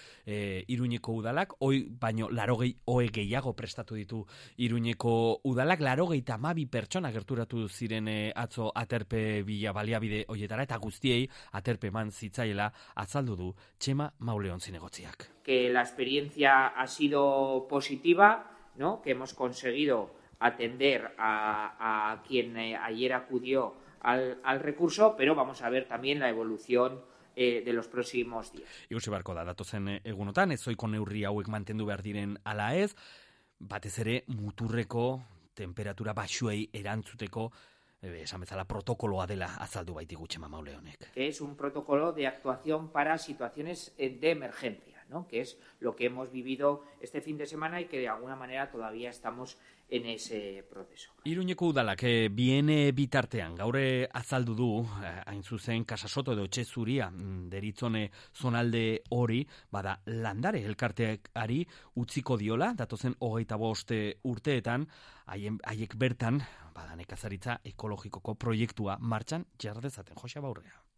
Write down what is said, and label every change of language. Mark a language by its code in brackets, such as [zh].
[eu] Iruñeko udalak, hoi baino 80 OE gehiago prestatu ditu Iruñeko udalak, 82 pertsona gerturatu ziren atzo aterpe bila baliabide hoietara, eta guztiei aterpe eman zitzaiela azaldu du Txema Mauleon zinegotziak. [es] Que la experiencia ha sido positiva, ¿no? Que hemos conseguido atender a quien ayer acudió al recurso, pero vamos a ver también la evolución de los próximos días. [eu] Ikusi beharko da datozen egunotan, ezoiko neurri hauek mantendu behar diren ala ez, batez ere muturreko temperatura baxuei erantzuteko esan bezala protokoloa dela azaldu baitigu Txema Mauleonek. [es] Es un protocolo de actuación para situaciones de emergencia, ¿no? Que es lo que hemos vivido este fin de semana y que de alguna manera todavía estamos en ese proceso. [eu] Iruñeko udalak biene bitartean gaur azaldu du hain zuzen Casasoto edo Etxezuria deritzone zonalde hori bada landare elkarteari utziko diola datozen 25 urteetan haiek bertan bada nekazaritza ekologikoko proiektua martxan jar dezaten Jose Baurrea.